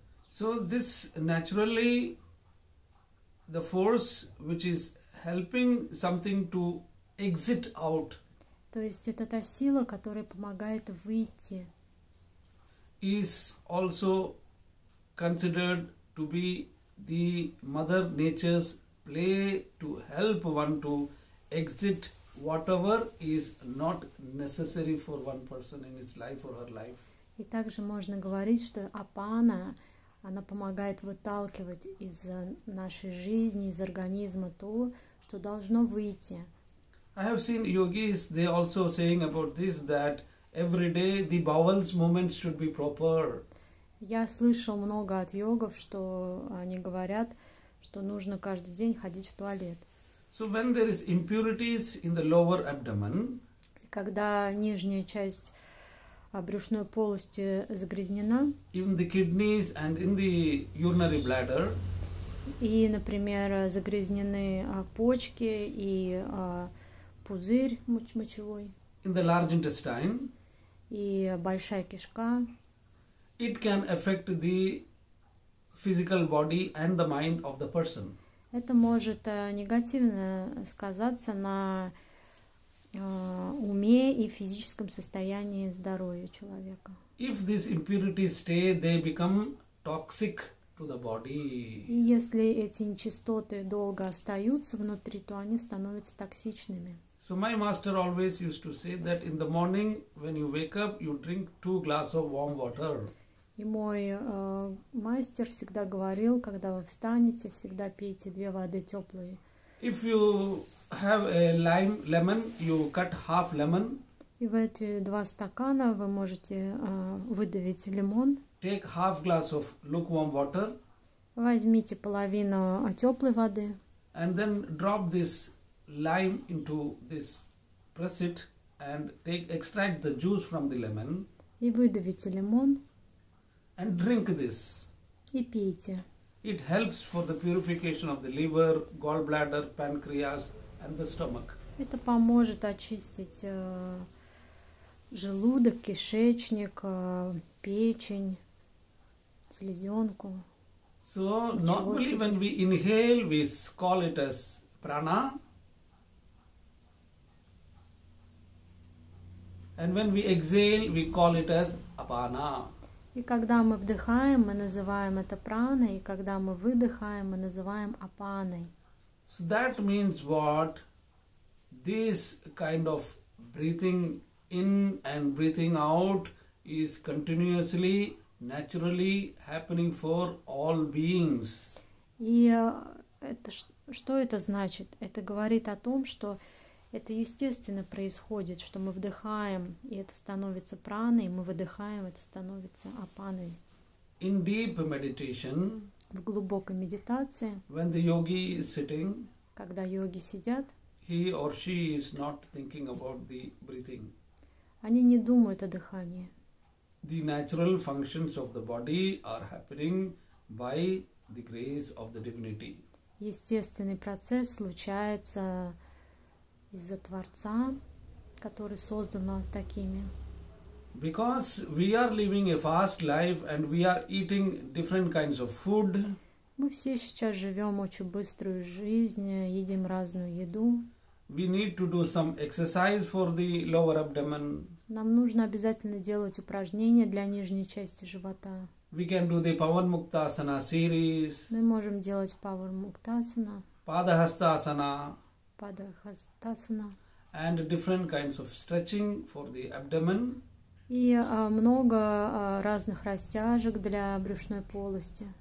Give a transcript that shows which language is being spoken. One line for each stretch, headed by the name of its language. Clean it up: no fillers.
English: So this naturally, the force which is helping something to exit out.
Russian: То есть это та сила, которая помогает выйти.
English: Is also considered to be the mother nature's play to help one to exit whatever is not necessary for one person in his life or her life.
Russian: И также можно говорить, что апана, она помогает выталкивать из нашей жизни, из организма то, что должно выйти.
English: I have seen yogis, they also saying about this, that every day the bowels movement should be proper.
Russian: Я слышал много от йогов, что они говорят, что нужно каждый день ходить в туалет.
English: So when there is impurities in the lower abdomen,
Russian: когда нижняя часть брюшной полости загрязнена,
English: even the kidneys and in the urinary bladder,
Russian: и, например, загрязнены почки и пузырь мочевой,
English: in the large intestine,
Russian: и большая кишка,
English: it can affect the physical body and the mind of the person.
Russian: Это может негативно сказаться на уме и физическом состоянии здоровья человека.
English: If these impurities stay, they become toxic to the body.
Russian: И если эти нечистоты долго остаются внутри, то они становятся токсичными.
English: So my master always used to say that in the morning when you wake up, you drink 2 glasses of warm water.
Russian: И мой мастер всегда говорил, когда вы встанете, всегда пейте 2 воды теплые.
English: If you have a lime, lemon, you cut half lemon.
Russian: И в эти 2 стакана вы можете выдавить лимон.
English: Take half glass of lukewarm water.
Russian: Возьмите половину теплой воды.
English: And then drop this lime into this, press it and take extract the juice from the lemon.
Russian: И выдавите лимон.
English: And drink this.
Russian: И пейте.
English: It helps for the purification of the liver, gallbladder, pancreas, and the stomach.
Russian: Это поможет очистить желудок, кишечник, печень, селезенку.
English: So normally, when we inhale, we call it as prana. And when we exhale, we call it as apana.
Russian: И когда мы вдыхаем, мы называем это праной, и когда мы выдыхаем, мы называем апаной.
English: So that means what? This kind of breathing in and breathing out is continuously, naturally happening for all beings.
Russian: И это, что это значит? Это говорит о том, что это естественно происходит, что мы вдыхаем, и это становится праной, мы выдыхаем, это становится апаной.
English: In deep meditation,
Russian: в глубокой медитации,
English: when the yogi is sitting,
Russian: когда йоги сидят,
English: he or she is not thinking about the breathing.
Russian: Они не думают о дыхании.
English: The natural functions of the body are happening by the grace of the divinity.
Russian: Естественный процесс случается из-за Творца, который создал нас такими.
English: Because we are living a fast life and we are eating different kinds of food.
Russian: Мы все сейчас живем очень быструю жизнь, едим разную еду.
English: We need to do some exercise for the lower abdomen.
Russian: Нам нужно обязательно делать упражнения для нижней части живота.
English: We can do the Pavan Muktasana series.
Russian: Мы можем делать Pavan Muktasana.
English: Padahastasana.
Russian: Padahastasana.
English: And different kinds of stretching for the abdomen.
Russian: И много разных растяжек для брюшной полости.